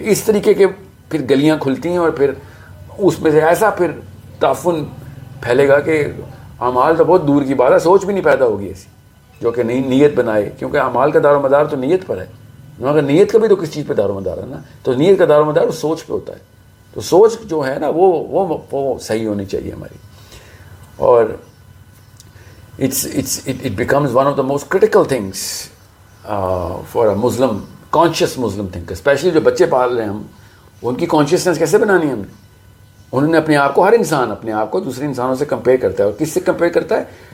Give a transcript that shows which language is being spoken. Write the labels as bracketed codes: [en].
[hi] इस तरीके के फिर गलियां खुलती हैं और फिर उसमें से ऐसा फिर ताफुन फैलेगा कि अमाल तो बहुत दूर की बात है, सोच भी नहीं पैदा होगी ऐसी जो कि नहीं नीयत बनाए. क्योंकि अमाल का दारोमदार तो नीयत पर है, मगर नीयत का भी तो किस चीज़ पर दारोमदार है ना. तो नीयत का दारोमदार सोच पर होता है. तो सोच जो है ना वो सही होनी चाहिए हमारी. [en] और It becomes one of the most critical things for a Muslim, conscious Muslim thinker. [hi] Especially जो बच्चे पाल रहे हैं हम, उनकी consciousness कैसे बनानी है हमने. उन्होंने अपने आप को, हर इंसान अपने आप को दूसरे इंसानों से compare करता है. और किससे compare करता है?